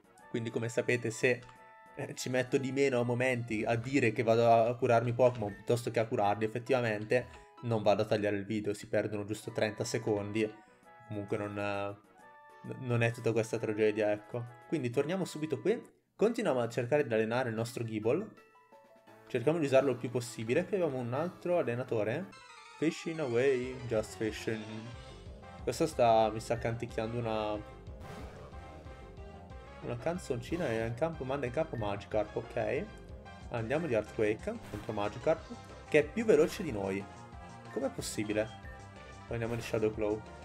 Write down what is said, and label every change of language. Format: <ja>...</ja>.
<it>Quindi, come sapete, se ci metto di meno a momenti a dire che vado a curarmi Pokémon piuttosto che a curarli, effettivamente non vado a tagliare il video, si perdono giusto 30 secondi. Comunque non è tutta questa tragedia, ecco. Quindi torniamo subito qui. Continuiamo a cercare di allenare il nostro Gible. Cerchiamo di usarlo il più possibile. Qui abbiamo un altro allenatore.</it> <en>Fishing away, just fishing.</en> <it>Questo sta, mi sta canticchiando una canzoncina. E in campo, manda in campo Magikarp, ok. Andiamo di Earthquake contro Magikarp, che è più veloce di noi. Com'è possibile? Poi andiamo di Shadow Claw.</it>